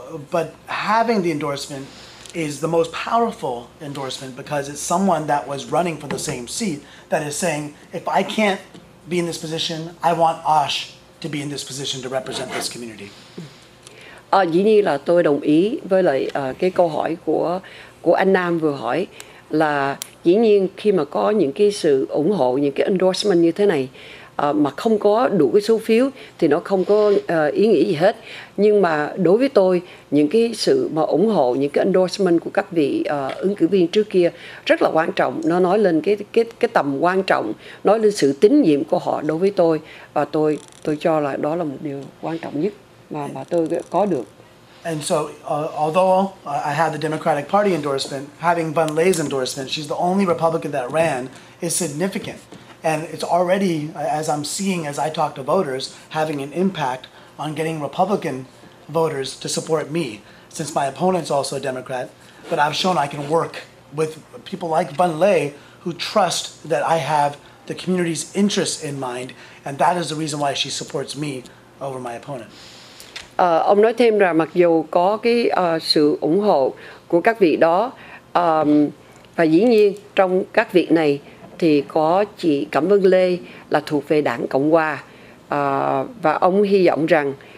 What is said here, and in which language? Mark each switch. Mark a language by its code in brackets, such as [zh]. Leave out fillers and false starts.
[en] But having the endorsement is the most powerful endorsement because it's someone that was running for the same seat that is saying, if I can't be in this position, I want Osh to be in this position to represent this community. [vi] Dĩ nhiên là tôi đồng ý với lại cái câu hỏi của anh Nam vừa hỏi, là dĩ nhiên khi mà có những cái sự ủng hộ, những cái endorsement như thế này, mà không có đủ cái số phiếu thì nó không có ý nghĩa gì hết. Nhưng mà đối với tôi, những cái sự mà ủng hộ, những cái endorsement của các vị ứng cử viên trước kia rất là quan trọng. Nó nói lên cái tầm quan trọng, nói lên sự tín nhiệm của họ đối với tôi. Và tôi cho là đó là một điều quan trọng nhất mà tôi có được. [en] And so, although I have the Democratic Party endorsement, having Van Lee's endorsement, she's the only Republican that ran, is significant. And it's already, as I'm seeing as I talk to voters, having an impact on getting Republican voters to support me, since my opponent's also a Democrat. But I've shown I can work with people like Van Le, who trust that I have the community's interests in mind, and that is the reason why she supports me over my opponent. [vi] Ông nói thêm là mặc dù có cái sự ủng hộ của các vị đó, và dĩ nhiên trong các vị này thì có chị Cẩm Vân Lê là thuộc về Đảng Cộng Hòa, và ông hy vọng rằng